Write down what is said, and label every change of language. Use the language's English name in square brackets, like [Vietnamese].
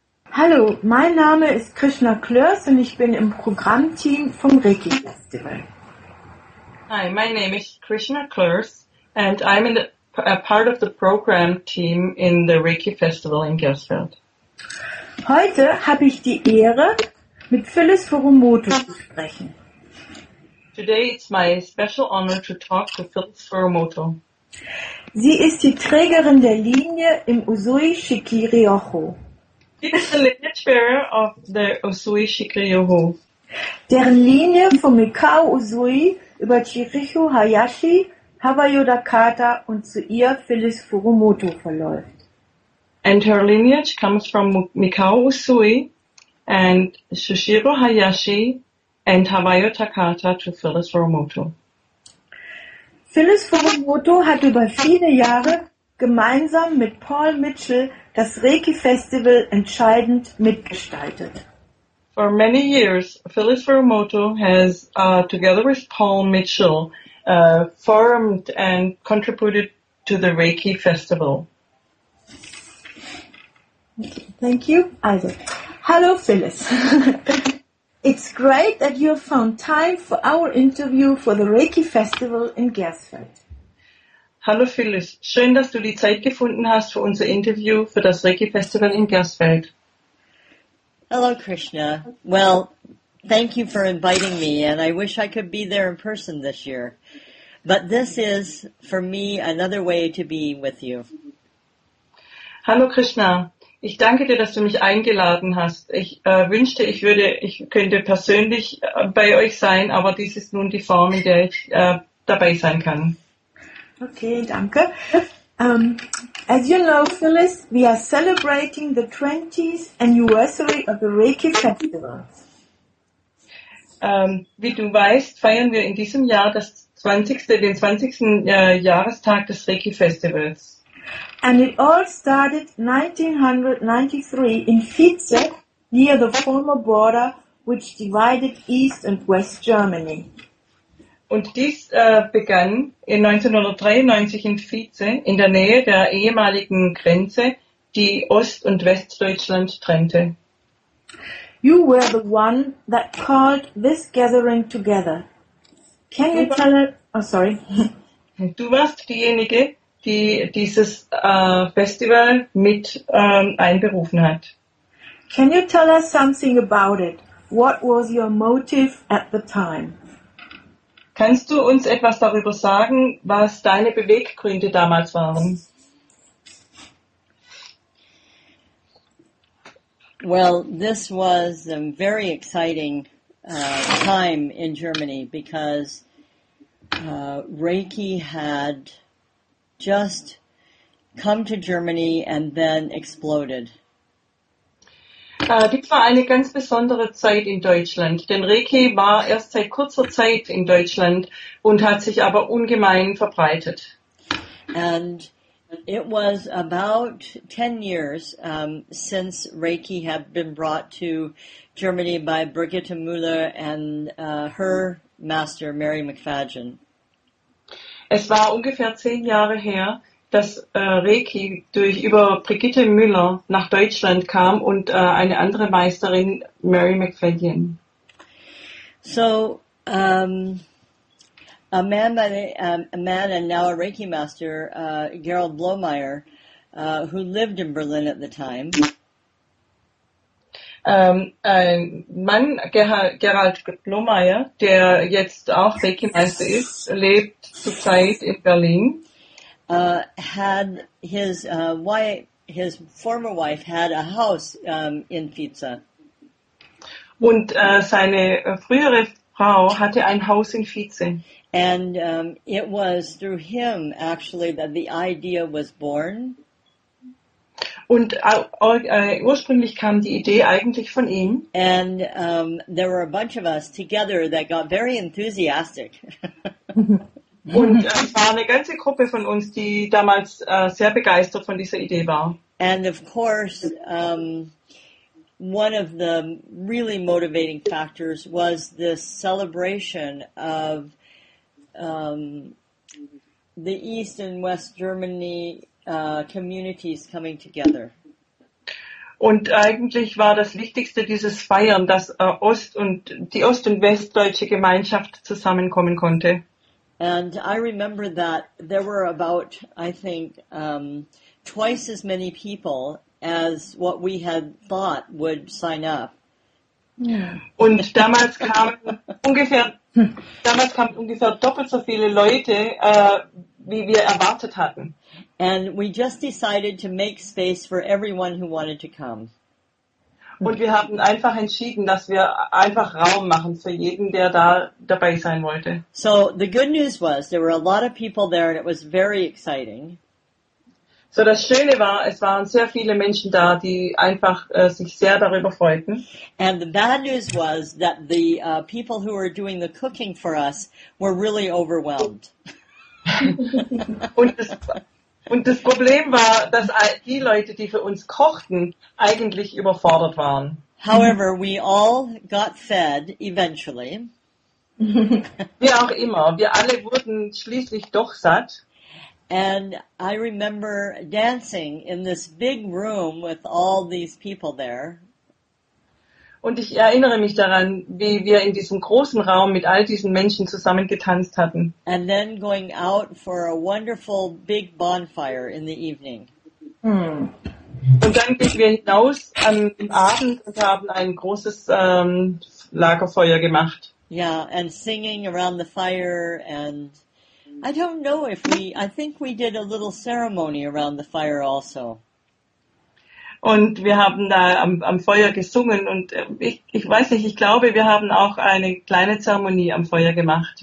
[German] Hallo, mein Name ist Krishna Klörs und ich bin im Programmteam vom Reiki Festival. [English] Hi, my name is Krishna Klörs and I'm in a part of the program team in the Reiki Festival in Gersfeld. [German] Heute habe ich die Ehre, mit Phyllis Furumoto zu sprechen. [English] Today it's my special honor to talk to Phyllis Furumoto. [German] Sie ist die Trägerin der Linie im Usui Shikiri-Ryoho. [English] She is the lineage bearer of the Usui Shikiri-Ryoho. [German] Deren Linie vom Mikao Usui über Chirichu Hayashi, Hawaiodakata und zu ihr Phyllis Furumoto verläuft. [English] And her lineage comes from Mikao Usui and Shushiro Hayashi and Hawaiodakata to Phyllis Furumoto. [German] Phyllis Furumoto hat über viele Jahre gemeinsam mit Paul Mitchell das Reiki-Festival entscheidend mitgestaltet. [English] For many years, Phyllis Furumoto has, together with Paul Mitchell, formed and contributed to the Reiki Festival. Thank you. Also, hello, Phyllis. It's great that you have found time for our interview for the Reiki Festival in Gersfeld. [German] Hallo Phyllis, schön, dass du die Zeit gefunden hast für unser Interview für das Reiki-Festival in Gersfeld. [English] Hello Krishna. Well, thank you for inviting me and I wish I could be there in person this year. But this is, for me, another way to be with you. [German] Hallo Krishna, ich danke dir, dass du mich eingeladen hast. Ich wünschte, ich könnte persönlich bei euch sein, aber dies ist nun die Form, in der ich dabei sein kann. Okay, danke. [English] As you know, Phyllis, we are celebrating the 20th anniversary of the Reiki Festival. [German] Wie du weißt, feiern wir in diesem Jahr den 20. Jahrestag des Reiki Festivals. [English] And it all started 1993 in Fietze, near the former border which divided East and West Germany. [German] Und dies begann in 1993 in Fietze, in der Nähe der ehemaligen Grenze, die Ost- und Westdeutschland trennte. [English] You were the one that called this gathering together. Can you tell us? Oh, sorry. [German] Du warst diejenige, die dieses Festival mit einberufen hat. [English] Can you tell us something about it? What was your motive at the time? [German] Kannst du uns etwas darüber sagen, was deine Beweggründe damals waren? [English] Well, this was a very exciting time in Germany because Reiki had just come to Germany and then exploded. [German] Dies war eine ganz besondere Zeit in Deutschland, denn Reiki war erst seit kurzer Zeit in Deutschland und hat sich aber ungemein verbreitet. [English] And it was about 10 years since Reiki had been brought to Germany by Brigitte Müller and her master Mary McFadgen. [German] Es war ungefähr 10 Jahre her, dass Reiki über Brigitte Müller nach Deutschland kam und eine andere Meisterin, Mary McFadyen. [English] So, a man and now a Reiki master, Gerald Blomeyer, who lived in Berlin at the time. [German] Ein Mann, Gerald Blomeyer, der jetzt auch Reiki Meister ist, lebt zurzeit in Berlin. [English] Had his wife, his former wife, had a house in Fietze. [German] Und seine frühere Frau hatte ein Haus in Fietze. [English] And it was through him actually that the idea was born. [German] Und ursprünglich kam die Idee eigentlich von ihm. [English] And there were a bunch of us together that got very enthusiastic. [German] Und es war eine ganze Gruppe von uns, die damals sehr begeistert von dieser Idee war. [English] And of course, one of the really motivating factors was this celebration of the East and West Germany communities coming together. [German] Und eigentlich war das Wichtigste dieses Feiern, dass Ost und die Ost- und Westdeutsche Gemeinschaft zusammenkommen konnte. [English] And I remember that there were about, I think, twice as many people as what we had thought would sign up. [German] Und damals kamen ungefähr doppelt so viele Leute, wie wir erwartet hatten. [English] And we just decided to make space for everyone who wanted to come. [German] Und wir haben einfach entschieden, dass wir einfach Raum machen für jeden, der da dabei sein wollte. [English] So the good news was, there were a lot of people there and it was very exciting. [German] So das Schöne war, es waren sehr viele Menschen da, die einfach sich sehr darüber freuten. [English] And the bad news was that the people who were doing the cooking for us were really overwhelmed. [German] Und das Problem war, dass die Leute, die für uns kochten, eigentlich überfordert waren. [English] However, we all got fed eventually. [German] Wie auch immer, wir alle wurden schließlich doch satt. [English] And I remember dancing in this big room with all these people there. [German] Und ich erinnere mich daran, wie wir in diesem großen Raum mit all diesen Menschen zusammen getanzt hatten. [English] And then going out for a wonderful big bonfire in the evening. [German] Und dann gingen wir hinaus am Abend und haben ein großes Lagerfeuer gemacht. [English] Yeah, and singing around the fire, and I don't know if we, I think we did a little ceremony around the fire also. [German] Und wir haben da am Feuer gesungen und ich weiß nicht, ich glaube, wir haben auch eine kleine Zeremonie am Feuer gemacht.